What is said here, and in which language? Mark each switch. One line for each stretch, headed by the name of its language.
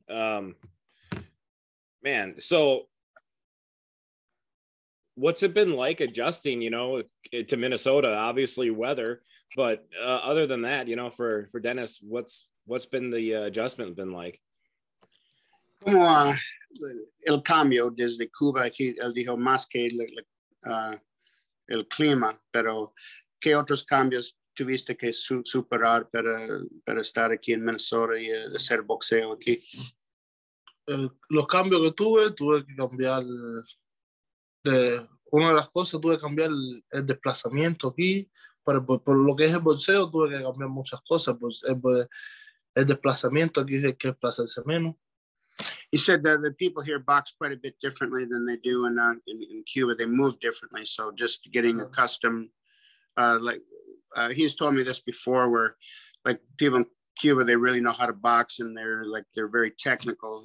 English: Man, so what's it been like adjusting, you know, to Minnesota? Obviously weather, but other than that, you know, for Dennys, what's been the adjustment been like?
Spanish: Como el cambio desde Cuba, aquí, él dijo más que el clima, pero ¿qué otros cambios tuviste que superar para estar aquí en Minnesota y hacer boxeo aquí? Los cambios que tuve que cambiar de una de las cosas, tuve que cambiar el desplazamiento aquí, pero por lo que es el boxeo tuve que cambiar muchas cosas, pues el desplazamiento aquí hay que desplazarse menos.
English: He said that the people here box quite a bit differently than they do in Cuba. They move differently, so just getting accustomed, he's told me this before, where like people in Cuba, they really know how to box and they're very technical.